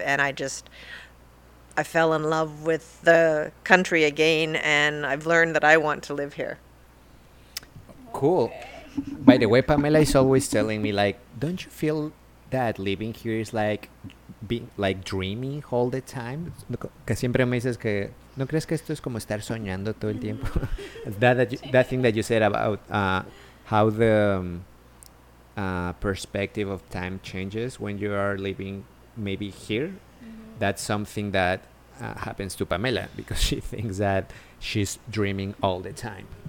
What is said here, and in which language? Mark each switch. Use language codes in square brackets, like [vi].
[en] And I fell in love with the country again, and I've learned that I want to live here. Cool. By the way, Pamela is always telling me, like, don't you feel that living here is like being like dreaming all the time? [es] Que siempre me dices que no crees que esto es como estar soñando todo el tiempo. [en] That thing that you said about how the perspective of time changes when you are living maybe here. Mm-hmm. That's something that happens to Pamela, because she thinks that she's dreaming all the time.